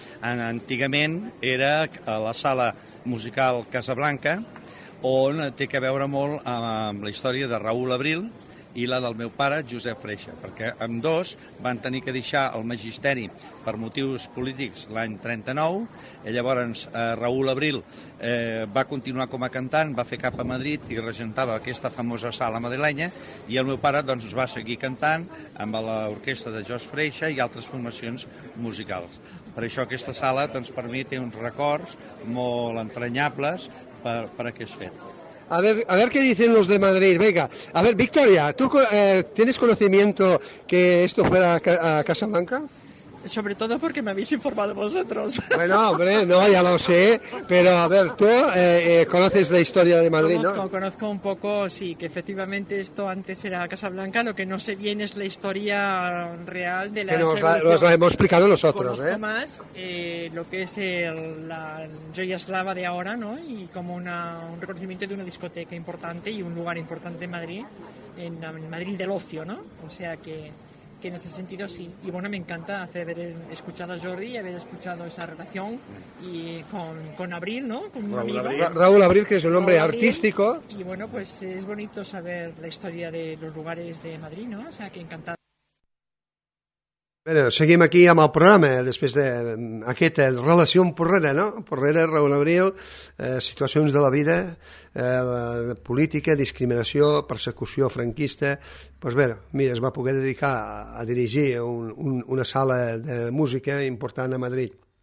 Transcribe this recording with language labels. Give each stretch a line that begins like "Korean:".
Catalan: Antigament era la sala musical Casablanca, on té que veure molt amb la història de Raül Abril i la del meu pare, Josep Freixa, perquè amb dos van tenir que deixar el magisteri per motius polítics l'any 39, i llavors Raül Abril va continuar com a cantant, va fer cap a Madrid i regentava aquesta famosa sala madrilenya, i el meu pare doncs va seguir cantant amb l'orquestra de Josep Freixa i altres formacions musicals. Per això aquesta sala doncs, per mi té uns records molt entranyables
Spanish: para que sea. A ver qué dicen los de Madrid. Venga, a ver, Victoria, ¿tú tienes conocimiento que esto fuera a Casablanca? Sobre todo porque me habéis informado vosotros. Bueno, hombre, no, ya lo sé, pero a ver, tú conoces la historia de Madrid, conozco, ¿no? Conozco un poco, sí, que efectivamente esto antes era Casablanca, lo que no sé bien es la historia real de la revolución. Nos la hemos explicado nosotros. Conozco más lo que es la Joya Eslava de ahora, ¿no? Y como un reconocimiento de una discoteca importante y un lugar importante en Madrid, en Madrid del ocio, ¿no? O sea que... Que en ese sentido sí, y bueno, me encanta haber escuchado a Jordi y haber escuchado esa relación y con Abril, ¿no? Con Raúl, amigo. Raúl Abril, que es un hombre artístico. Y bueno, pues es bonito saber la historia de los lugares de Madrid, ¿no? O sea, que encantado.
Catalan: Bueno, seguim aquí amb el programa, després d'aquesta relació amb Porrera, no? Porrera, Raül Abril, situacions de la vida, política, discriminació, persecució franquista... Pues bé, mira, es va poder dedicar a dirigir una sala de música important a Madrid.